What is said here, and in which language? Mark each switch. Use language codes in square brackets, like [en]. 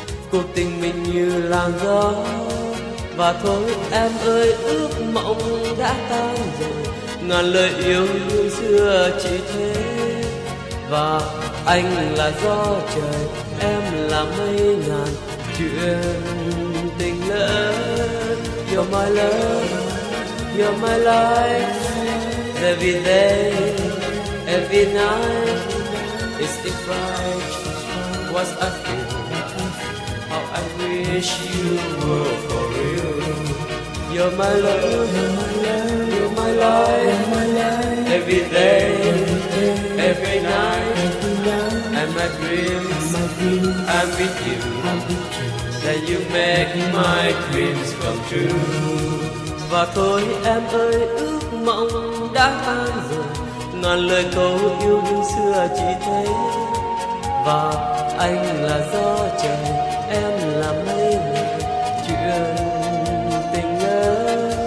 [vi] Cuộc tình mình như làn gió, và thôi em ơi ước mộng đã tan rồi, ngàn lời yêu thương xưa chỉ thế. Và anh là gió trời, em là mây ngàn chuyện tình lỡ. [en] You're my love, you're my life. Every day, every night is different. What I feel, how I wish you were for real. You're my love, you're my life. Every day, every night, and my dreams, I'm with you. That you make my dreams come true. [vi] Và thôi em ơi ước mộng đã tan rồi, ngàn lời câu yêu đương xưa chỉ thế. Và anh là gió trời, em là mây người chuyện tình lỡ.